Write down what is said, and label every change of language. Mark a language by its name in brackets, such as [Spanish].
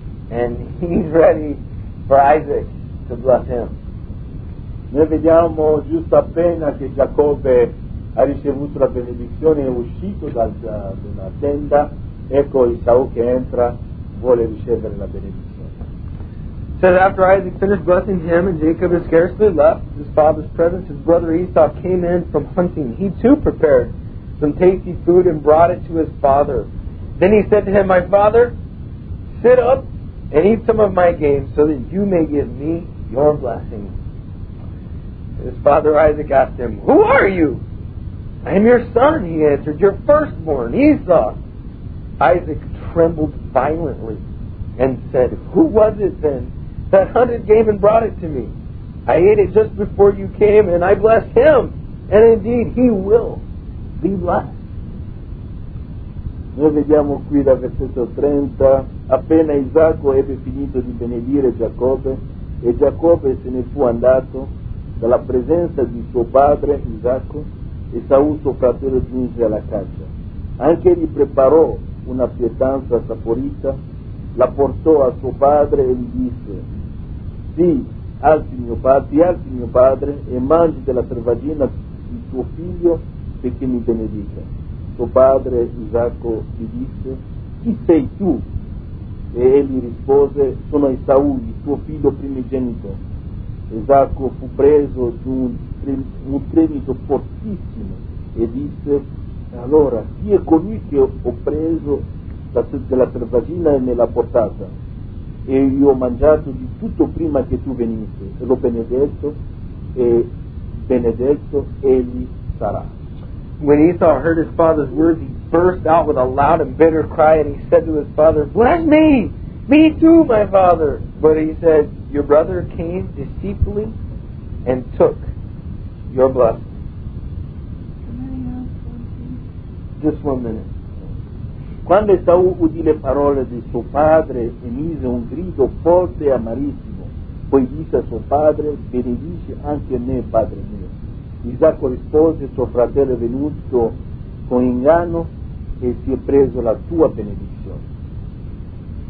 [English] And he's ready for Isaac to bless him. [Italian] Noi vediamo giusto appena che Giacobbe ha ricevuto la benedizione, è uscito dalla tenda, ecco Esau che entra, vuole ricevere la benedizione. [English] So after Isaac finished blessing him and Jacob had scarcely left his father's presence, his brother Esau came in from hunting. He too prepared some tasty food and brought it to his father. Then he said to him, my father, sit up and eat some of my game, so that you may give me your blessing. His father Isaac asked him, who are you? I am your son, he answered, your firstborn, Esau. Isaac trembled violently and said, who was it then that hunted game and brought it to me? I ate it just before you came, and I blessed him, and indeed he will be blessed. [Italian] Noi vediamo qui dal versetto 30, appena Isacco ebbe finito di benedire Giacobbe, e Giacobbe se ne fu andato dalla presenza di suo padre Isacco, e Esau suo fratello giunse alla caccia. Anche egli preparò una pietanza saporita, la portò a suo padre e gli disse, sì alzi mio padre, e mangi della selvaggina di tuo figlio, disse che mi benedica. Suo padre Isacco gli disse: chi sei tu? E egli rispose: sono Esaù, tuo figlio primogenito. Isacco fu preso di un tremito fortissimo e disse: allora chi è colui che ho preso dalla pervagina e me l'ha portata? E io ho mangiato di tutto prima che tu venisse, e l'ho benedetto, e benedetto egli sarà. [English] When Esau heard his father's words, he burst out with a loud and bitter cry, and he said to his father, bless me! Me too, my father! But he said, your brother came deceitfully and took your blessing. Can I ask one thing? Just 1 minute. [Italian] Quando Esau udì le parole di suo padre, emise un grido forte e amarissimo. Poi disse a suo padre, benedici anche me, padre mio. Isacco rispose, suo fratello è venuto con inganno e si è preso la tua benedizione.